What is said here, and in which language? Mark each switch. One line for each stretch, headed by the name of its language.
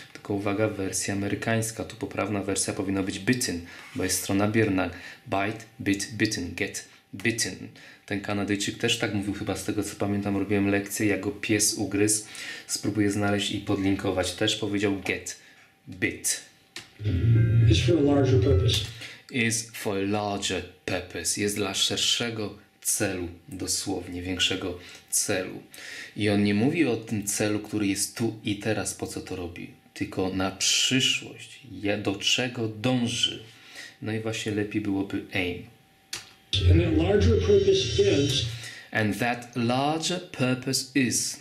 Polish: Tylko uwaga, wersja amerykańska, tu poprawna wersja powinna być bitten, bo jest strona bierna, bite, bit, bitten, get bitten. Ten Kanadyjczyk też tak mówił, chyba z tego co pamiętam, robiłem lekcję, jak go pies ugryzł. Spróbuję znaleźć i podlinkować. Też powiedział get bit.
English: It's for a larger purpose. Is for a larger purpose.
Polish: Jest dla szerszego celu, dosłownie większego celu. I on nie mówi o tym celu, który jest tu i teraz, po co to robi, tylko na przyszłość, do czego dąży. No i właśnie lepiej byłoby aim.
English: And that larger purpose is. And that larger purpose is.